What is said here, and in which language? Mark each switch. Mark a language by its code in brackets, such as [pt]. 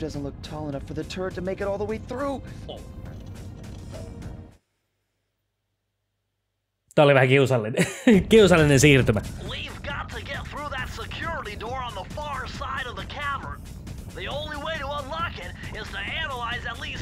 [en] Doesn't look tall enough for the turret to make it all the way through. [fi] Tää oli vähän kiusallinen siirtymä. [en] We've got to get through that security door on the far side of the cavern. The only way to unlock it is to analyze at least.